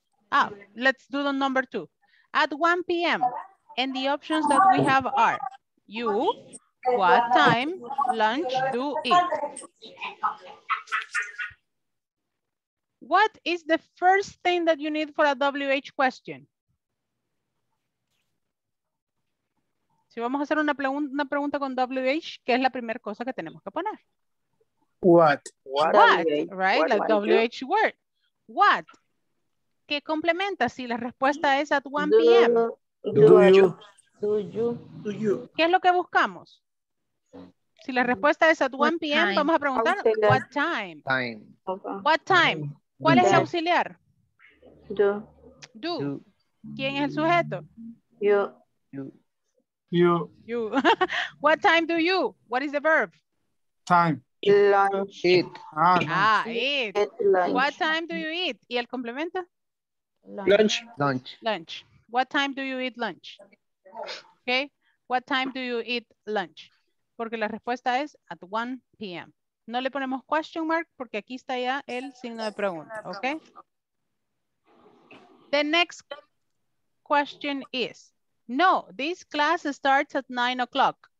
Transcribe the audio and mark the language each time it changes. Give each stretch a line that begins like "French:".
English: Ah, let's do the number 2. At 1 p.m. And the options that we have are you, what time lunch do eat? What is the first thing that you need for a WH question?
Spanish: Si vamos a hacer una pregunta con WH, ¿qué es la primera cosa que tenemos que poner?
English: What? Right, what like WH do? Word. What?
Spanish: ¿Qué complementa si la respuesta es
English: at 1 p.m.? Do you.
Spanish: ¿Qué es lo que buscamos? Si la respuesta es
English: at 1 p.m.,
Spanish: vamos a preguntar,
English: what time? Time. What time?
Spanish: ¿Cuál es el auxiliar?
English: Do.
Spanish: ¿Quién es el sujeto?
English: You. What time do you? What is the verb? Time. Lunch. Eat. Eat. What time do you eat?
Spanish: ¿Y el complemento?
English: Lunch. What time do you eat lunch? Okay. What time do you eat lunch?
Spanish: Porque la respuesta es
English: at 1 p.m.
Spanish: No le ponemos question mark porque aquí está ya el signo de pregunta, ¿ok?
English: The next question is, no, this class starts at 9 o'clock.